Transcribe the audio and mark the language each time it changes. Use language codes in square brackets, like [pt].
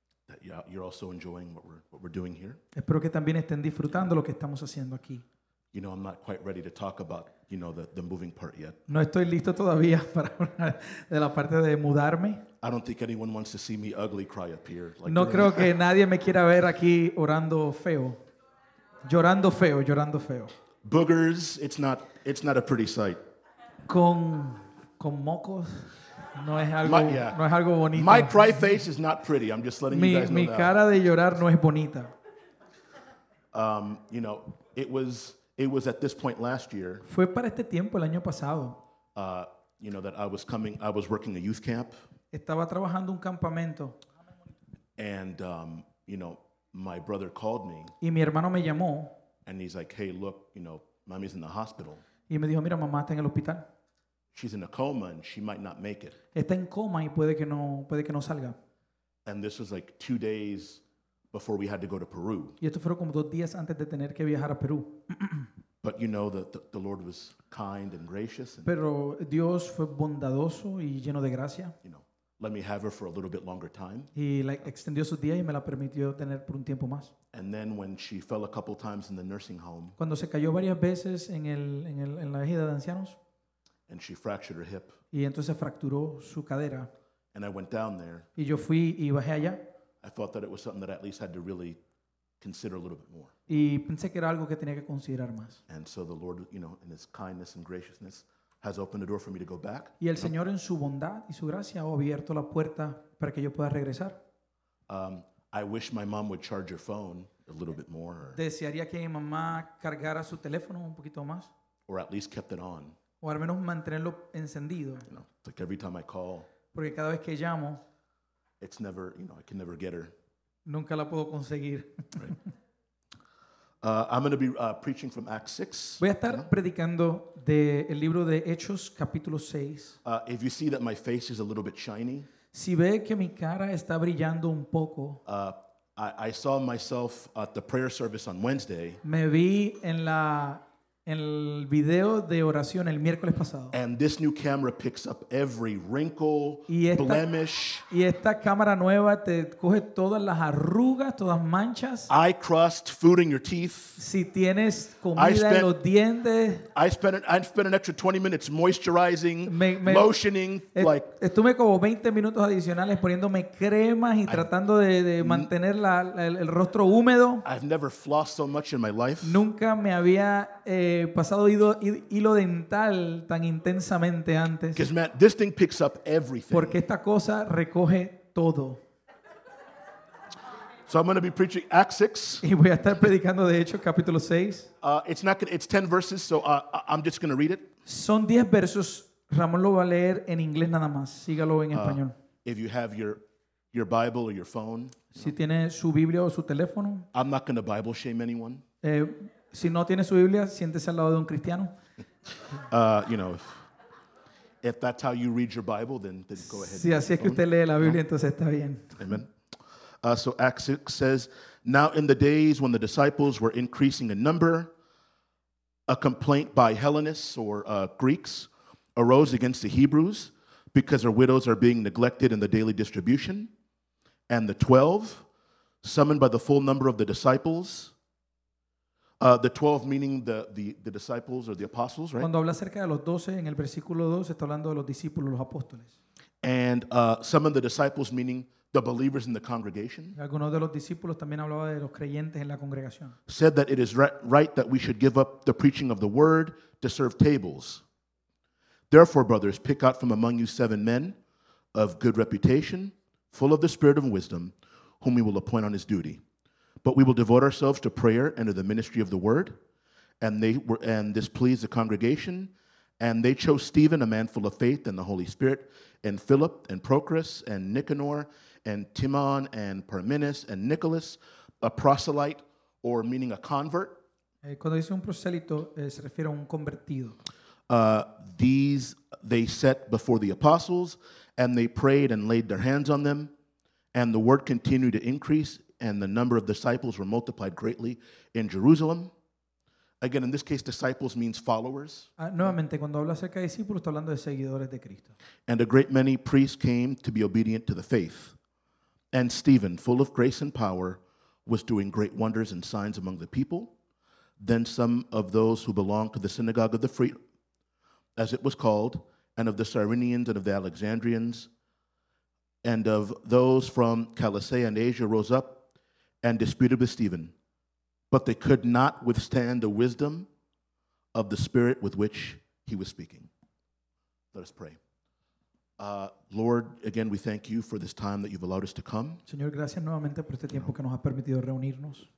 [en] That you're also enjoying what we're doing here. [es] Espero que también estén disfrutando lo que estamos haciendo aquí. [en] You know, I'm not quite ready to talk about, you know, the moving part yet. [es] No estoy listo todavía para hablar de la parte de mudarme. [en] I don't think anyone wants to see me ugly cry up here. [es] Like no creo que nadie me quiera ver aquí orando feo. Llorando feo. [en] Boogers, it's not a pretty sight. [es] Con mocos, no es algo, no es algo bonito. [en] My cry face is not pretty. I'm just letting you guys know [es] mi [en] that. [es] Mi cara de llorar no es bonita. [en] You know, it was at this point last year. [es] Fue para este tiempo el año pasado. [en] You know, that I was working a youth camp. [es] Estaba trabajando un campamento. [en] And you know, my brother called me. [es] Y mi hermano me llamó. [en] And he's like, "Hey, look, you know, mommy's in the hospital." [es] Y me dijo, "Mira, mamá está en el hospital." [en] She's in a coma and she might not make it. [es] Está en coma y puede que no salga. [en] And this was like 2 days before we had to go to Peru. [es] Y esto fueron como 2 días antes de tener que viajar a Perú. [en] But you know that the Lord was kind and gracious. And, [es] pero Dios fue bondadoso y lleno de gracia. [en] You know, let me have her for a little bit longer time. [es] Y like extendió sus días y me la permitió tener por un tiempo más. [en] And then when she fell a couple times in the nursing home. [es] Cuando se cayó varias veces en la ejida de ancianos. [en] And she fractured her hip. [es] Y entonces fracturó su cadera. [en] And I went down there. [es] Y yo fui y bajé allá. [en] I thought that it was something that at least had to really consider a little bit more. [es] Y pensé que era algo que tenía que considerar más. [en] And so the Lord, you know, in his kindness and graciousness, has opened the door for me to go back. [es] Y el Señor en su bondad y su gracia ha abierto la puerta para que yo pueda regresar. [en] I wish my mom would charge her phone a little bit more. [es] Desearía que mi mamá cargara su teléfono un poquito más. [en] Or at least kept it on. [es] O al menos mantenerlo encendido. [en] You know, like every time I call. [es] Porque cada vez que llamo. [en] It's never, you know, I can never get her. [es] Nunca la puedo conseguir. [en] Right. I'm going to be preaching from Acts 6. [es] Voy a estar predicando del libro de Hechos, capítulo 6. [en] If you see that my face is a little bit shiny. [es] Si ve que mi cara está brillando un poco. [en] I saw myself at the prayer service on Wednesday. [es] Me vi en el video de oración el miércoles pasado. [en] And this new camera picks up every wrinkle, blemish. [es] Y esta cámara nueva te coge todas las arrugas, todas manchas. [en] Eye crust, food in your teeth. [es] Si tienes comida en los dientes. [en] I spent an extra 20 minutes moisturizing, lotioning. [es] Estuve como 20 minutos adicionales poniéndome cremas y tratando de mantener el rostro húmedo. [en] I've never flossed so much in my life. [es] Nunca me había pasado hilo dental tan intensamente antes. [en] Because, man, this thing picks up everything. [es] Porque esta cosa recoge todo. [en] So I'm going to be preaching Acts 6. [es] Y voy a estar predicando de Hechos capítulo 6. [en] It's 10 verses, so I'm just going to read it. [es] Son 10 versos. Ramón lo va a leer en inglés nada más. Sígalo en español. [en] If you have your Bible or your phone. [es] Si tiene su Biblia o su teléfono. [en] I'm not going to Bible shame anyone. [es] Si no tiene su Biblia, siéntese al lado de un cristiano. [en] You know, if that's how you read your Bible, then go ahead. [es] Si así es que usted lee la Biblia, entonces está bien. [en] Amen. So Acts 6 says, "Now in the days when the disciples were increasing in number, a complaint by Hellenists or Greeks arose against the Hebrews because their widows are being neglected in the daily distribution. And the 12, summoned by the full number of the disciples..." The 12 meaning the disciples or the apostles, right? [es] Cuando habla acerca de los 12 en el versículo 2 está hablando de los discípulos, los apóstoles. [en] And some of the disciples meaning the believers in the congregation. [es] Algunos de los discípulos también hablaba de los creyentes en la congregación. [en] Said that it is right that we should give up the preaching of the word to serve tables. Therefore, brothers, pick out from among you 7 men of good reputation, full of the spirit of wisdom, whom we will appoint on his duty. But we will devote ourselves to prayer and to the ministry of the word. And this pleased the congregation. And they chose Stephen, a man full of faith and the Holy Spirit, and Philip, and Prochorus, and Nicanor, and Timon, and Parmenas, and Nicholas, a proselyte, or meaning a convert. [es] Cuando dice un proselito, se refiere a un convertido. [en] These they set before the apostles, and they prayed and laid their hands on them. And the word continued to increase, and the number of disciples were multiplied greatly in Jerusalem. Again, in this case, disciples means followers. [es] Nuevamente, cuando habla acerca de discípulos, está hablando de seguidores de Cristo. [en] And a great many priests came to be obedient to the faith. And Stephen, full of grace and power, was doing great wonders and signs among the people. Then some of those who belonged to the synagogue of the free, as it was called, and of the Cyrenians and of the Alexandrians, and of those from Chalcedon and Asia rose up and disputed with Stephen. But they could not withstand the wisdom of the Spirit with which he was speaking. Let us pray. Lord, again, we thank you for this time that you've allowed us to come. [es] Señor, gracias nuevamente por este tiempo que nos ha permitido reunirnos.